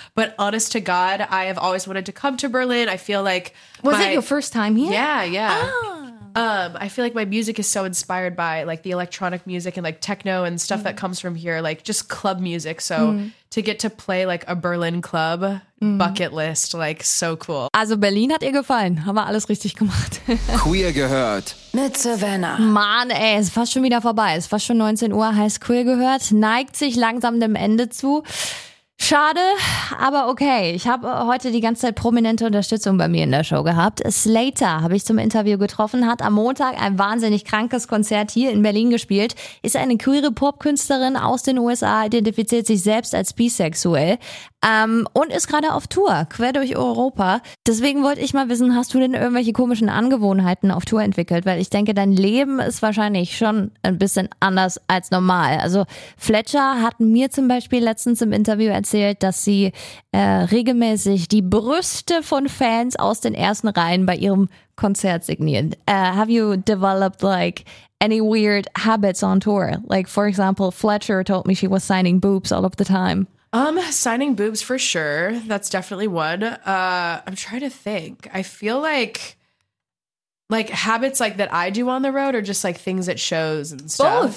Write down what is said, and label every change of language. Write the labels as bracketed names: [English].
[English] But honest to God, I have always wanted to come to Berlin. I feel like... Was it your first time here? Yeah. I feel like my music is so inspired by like the electronic music and like techno and stuff that comes from here, like just club music. So to get to play like a Berlin club, bucket list, like so cool. [German] Also Berlin hat ihr gefallen, haben wir alles richtig gemacht. Queer gehört mit Savannah. Mann ey, ist fast schon wieder vorbei, ist fast schon 19 Uhr, heißt Queer gehört, neigt sich langsam dem Ende zu. Schade, aber okay. Ich habe heute die ganze Zeit prominente Unterstützung bei mir in der Show gehabt. Slater habe ich zum Interview getroffen, hat am Montag ein wahnsinnig krankes Konzert hier in Berlin gespielt, ist eine queere Popkünstlerin aus den USA, identifiziert sich selbst als bisexuell und ist gerade auf Tour, quer durch Europa. Deswegen wollte ich mal wissen, hast du denn irgendwelche komischen Angewohnheiten auf Tour entwickelt? Weil ich denke, dein Leben ist wahrscheinlich schon ein bisschen anders als normal. Also Fletcher hat mir zum Beispiel letztens im Interview erzählt, dass sie regelmäßig die Brüste von Fans aus den ersten Reihen bei ihrem Konzert signieren. [English] Have you developed like any weird habits on tour? Like for example, Fletcher told me she was signing boobs all of the time. Signing boobs for sure. That's definitely one. I'm trying to think. I feel like habits like that I do on the road or just like things at shows and stuff.